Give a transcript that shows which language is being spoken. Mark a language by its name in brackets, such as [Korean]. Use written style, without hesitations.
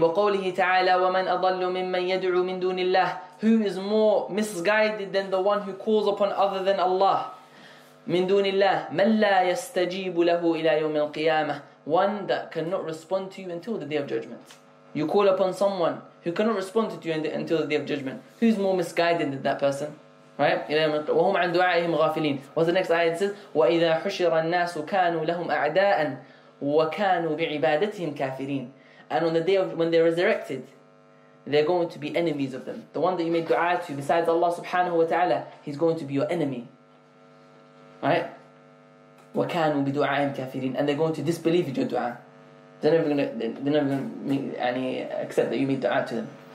[Arabic] وقوله تعالى ومن أضل ممن يدعو من دون الله. [English] Who is more misguided than the one who calls upon other than Allah? [Arabic] من دون الله من لا يستجيب له إلى يوم القيامة. [English] One that cannot respond to you until the day of judgment. You call upon someone who cannot respond to you until the day of judgment. Who's more misguided than that person? Right? [Arabic] وهم عن دعائهم غافلين. [English] What's the next ayah? It says, [Arabic] وإذا حشر الناس كانوا لهم أعداءً. وَكَانُوا بِعِبَادَتِهِمْ كَافِرِينَ. [English] And on the day of, when they're resurrected, they're going to be enemies of them. The one that you made dua to besides Allah subhanahu wa ta'ala, he's going to be your enemy. Right? [Arabic] وَكَانُوا بِدُعَائِهِمْ كَافِرِينَ. [English] And they're going to disbelieve your dua. They're never going to accept that you made dua to them.